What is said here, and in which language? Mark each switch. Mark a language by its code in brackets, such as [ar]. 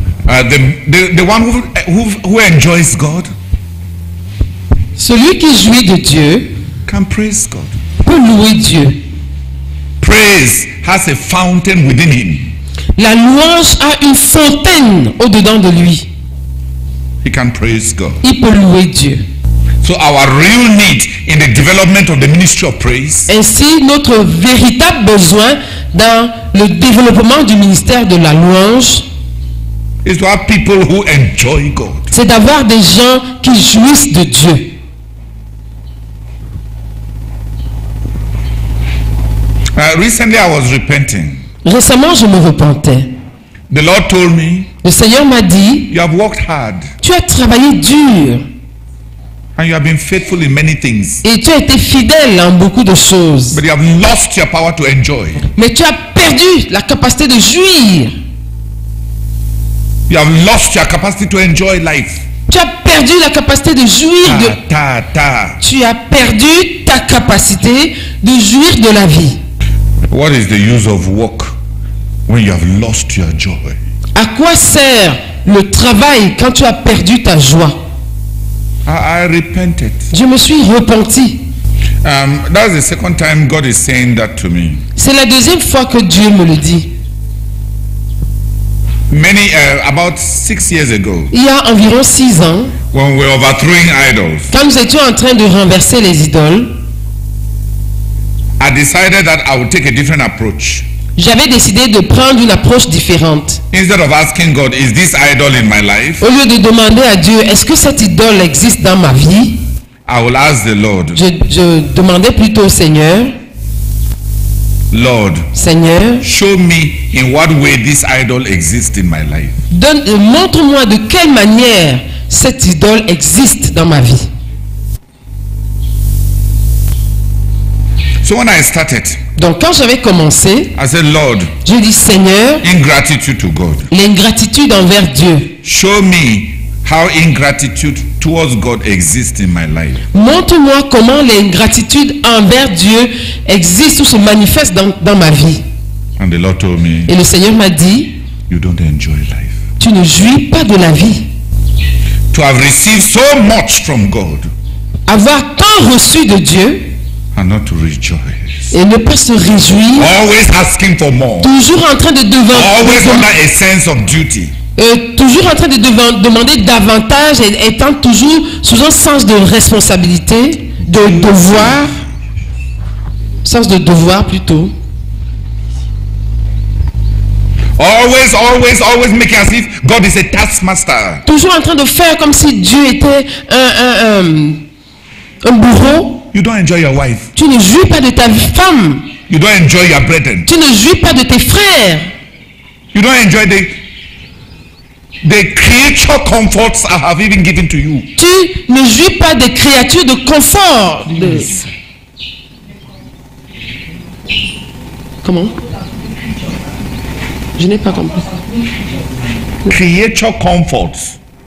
[en] The one who enjoys God. [fr] Celui qui jouit de Dieu [en] can praise God. [fr] Peut louer Dieu. [en] Praise has a fountain within him. [fr] La louange a une fontaine au dedans de lui. [en] He can praise God. [fr] Il peut louer Dieu. [en] So our real need in the development of the ministry of praise. [fr] Ainsi notre véritable besoin dans le développement du ministère de la louange. [en] Is to have people who enjoy God. [fr] C'est d'avoir des gens qui jouissent de Dieu. [en] Recently I was repenting. [fr] Récemment, je me repentais. [en] The Lord told me, [fr] le Seigneur m'a dit, [en] you have worked hard. [fr] Tu as travaillé dur. [en] And you have been faithful in many things. [fr] Et tu as été fidèle en beaucoup de choses. [en] But you have lost your power to enjoy. [fr] Mais tu as perdu la capacité de jouir. [en] You have lost your capacity to enjoy life. [fr] Tu as perdu la capacité de jouir de. Tu as perdu ta capacité de jouir de la vie. [en] What is the use of work when you have lost your joy? [fr] À quoi sert le travail quand tu as perdu ta joie? [en] I repented. [fr] Je me suis repenti. [en] That's the second time God is saying that to me. [fr] C'est la deuxième fois que Dieu me le dit. [en] About 6 years ago. [fr] Il y a environ 6 ans. [en] When we were overthrowing idols. [fr] Quand nous étions en train de renverser les idoles. [en] I decided that I would take a different approach. [fr] J'avais décidé de prendre une approche différente. [en] Instead of asking God, is this idol in my life? [fr] Au lieu de demander à Dieu, est-ce que cette idole existe dans ma vie? [en] I will ask the Lord. [fr] Je demandais plutôt au Seigneur. [en] Lord, [fr] Seigneur, [en] show me in what way this idol exists in my life. [fr] Montre-moi de quelle manière cette idole existe dans ma vie. [en] So when I started, [fr] donc quand j'avais commencé, [en] I said, Lord, [fr] j'ai dit Seigneur, [en] ingratitude to God. [fr] L'ingratitude envers Dieu. [en] Show me how ingratitude towards God exists in my life. [fr] Montre-moi comment l'ingratitude envers Dieu existe ou se manifeste dans ma vie. [en] And the Lord told me, [fr] et le Seigneur m'a dit, [en] you don't enjoy life. [fr] Tu ne jouis pas de la vie. [en] To have received so much from God, [fr] avoir tant reçu de Dieu. [en] And not to rejoice. [fr] Et ne pas se réjouir. [en] Always asking for more. [fr] Toujours en train de devant. [en] Always under a sense of duty. [fr] Toujours en train de demander davantage et étant toujours sous un sens de responsabilité, de devoir, sens de devoir plutôt. [en] Always making as if God is a taskmaster. [fr] Toujours en train de faire comme si Dieu était un bourreau. [en] You don't enjoy your wife. [fr] Tu ne jouis pas de ta femme. [en] You don't enjoy your brethren. [fr] Tu ne jouis pas de tes frères. [en] You don't enjoy the creature comforts I have even given to you. [fr] Tu ne jouis pas des créatures de confort. [en] Yes. [fr] Comment? Je n'ai pas compris. [en] Creature comforts.